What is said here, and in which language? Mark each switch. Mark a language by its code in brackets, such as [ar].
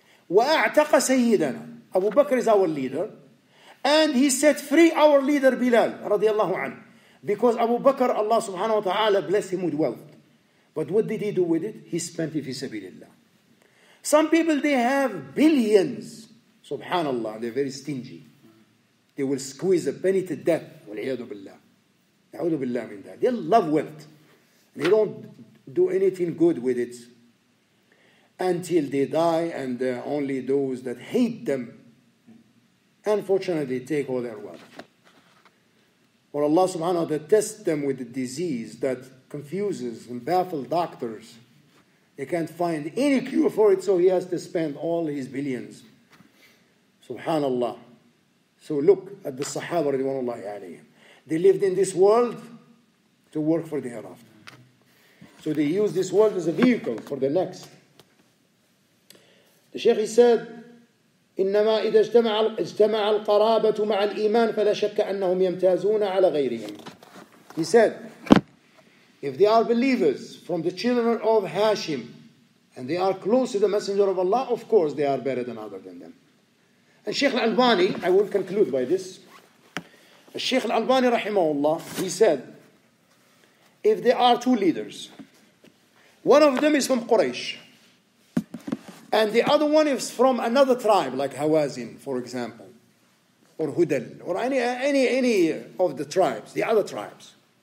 [ar] وَأَعْتَقَ سَيِّدَنَا. [en] Abu Bakr is our leader. And he set free our leader Bilal radiallahu anhu. Because Abu Bakr, Allah subhanahu wa ta'ala, blessed him with wealth. But what did he do with it? He spent it fi sabilillah. Some people, they have billions. Subhanallah, they're very stingy. They will squeeze a penny to death. [ar] وَالْعِيَدُ بِاللَّهِ يَعُودُ بِاللَّهِ مِنْ دَهِ. [en] They love wealth. They don't do anything good with it until they die, and only those that hate them, unfortunately, take all their wealth. Or Allah subhanahu wa ta'ala tests them with a disease that confuses and baffles doctors. They can't find any cure for it, so he has to spend all his billions. Subhanallah. So look at the Sahaba radiallahu alayhi. They lived in this world to work for the hereafter. So they use this world as a vehicle for the next. [ar] الشيخ [en] said, [ar] إنما إذا اجتمع القرابة مع الإيمان فلا شك أنهم يمتازون على غيرهم. [en] He said, if they are believers from the children of Hashim and they are close to the messenger of Allah, of course they are better than other than them. And الشيخ الألباني, I will conclude by this. الشيخ الألباني رحمه الله, he said, if there are two leaders, one of them is from Quraysh, and the other one is from another tribe, like Hawazin, for example, or Hudal, or any of the tribes, the other tribes.